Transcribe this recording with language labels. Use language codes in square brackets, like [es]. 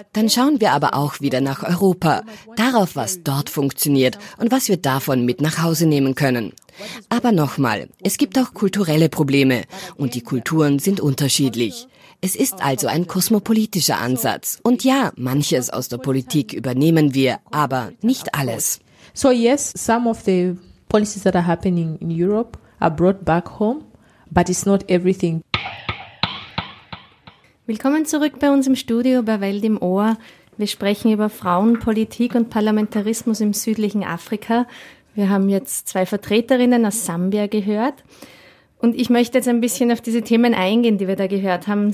[de] Dann schauen wir aber auch wieder nach Europa, darauf, was dort funktioniert und was wir davon mit nach Hause nehmen können. Aber nochmal, es gibt auch kulturelle Probleme und die Kulturen sind unterschiedlich. Es ist also ein kosmopolitischer Ansatz. Und ja, manches aus der Politik übernehmen wir, aber nicht alles. [en] So yes, some of the policies that are happening in Europe are brought back home, but it's not everything. [de] Willkommen zurück bei uns im Studio bei Welt im Ohr. Wir sprechen über Frauenpolitik und Parlamentarismus im südlichen Afrika. Wir haben jetzt zwei Vertreterinnen aus Sambia gehört. Und ich möchte jetzt ein bisschen auf diese Themen eingehen, die wir da gehört haben.